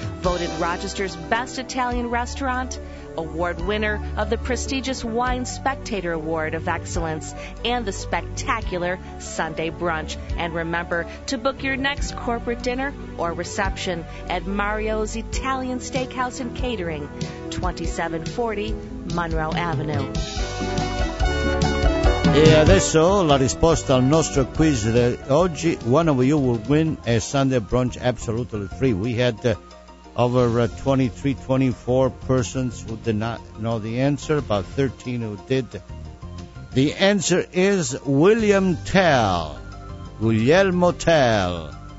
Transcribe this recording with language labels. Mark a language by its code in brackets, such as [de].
[en] Voted Rochester's best Italian restaurant, award winner of the prestigious Wine Spectator Award of Excellence and the spectacular Sunday Brunch. And remember to book your next corporate dinner or reception at Mario's Italian Steakhouse and Catering, 2740 Monroe Avenue. [it] E adesso la risposta al nostro quiz di oggi. [en] One of you will win a Sunday brunch absolutely free. We had over 24 persons who did not know the answer, about 13 who did. The answer is William Tell, Guglielmo Tell.